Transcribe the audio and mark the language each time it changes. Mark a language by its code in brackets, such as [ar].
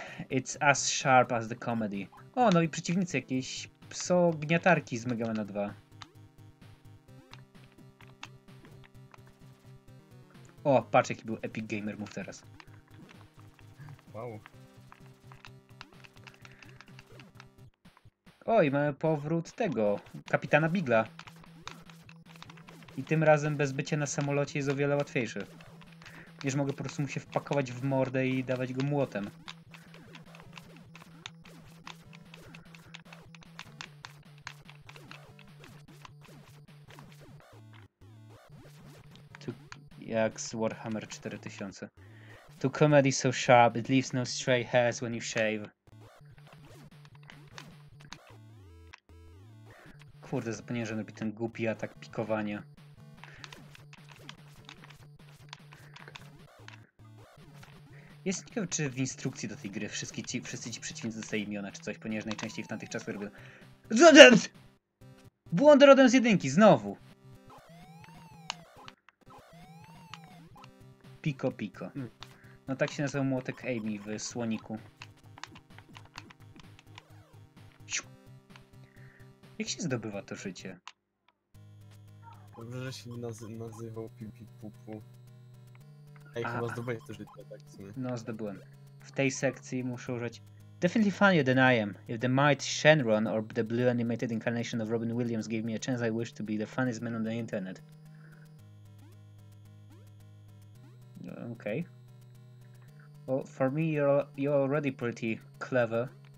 [en] It's as sharp as the comedy. [pl] O, no i przeciwnicy jakieś psogniatarki z Mega Mana 2. O, patrz jaki był Epic Gamer Move teraz. Wow. Oj, mamy powrót tego, Kapitana Bigla. I tym razem bez bycia na samolocie jest o wiele łatwiejszy. Wiesz, mogę po prostu mu się wpakować w mordę i dawać go młotem. Jak z Warhammer 4000. [en] To comedy so sharp, it leaves no stray hairs when you shave. [pl] Kurde, zapomniałem, że on robi ten głupi atak pikowania. Jest nie wiem, czy w instrukcji do tej gry wszyscy ci przeciwnicy dostają imiona czy coś, ponieważ najczęściej w tamtych czasach robią... Błąd rodem z jedynki, znowu! Pico Pico. No tak się nazywa młotek Amy w Słoniku. Jak się zdobywa to życie? Dobrze, że się nazywał Pipi Pupu. Ej, chyba zdobyłeś to życie, tak w sumie. No, zdobyłem. W tej sekcji muszę użyć... [en] Definitely funnier than I am. If the mighty Shenron or the blue animated incarnation of Robin Williams gave me a chance, I wish to be the funniest man on the internet. Okej. Well, for me, you're already pretty clever.